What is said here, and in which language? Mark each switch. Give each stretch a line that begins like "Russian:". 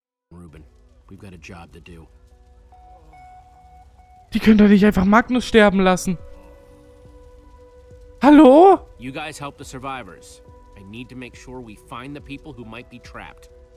English: Ruben, we've got a job to do.
German: Die können doch nicht einfach Magnus sterben lassen. Hallo?
English: You guys help the survivors. I need to make sure we find the people who might be trapped.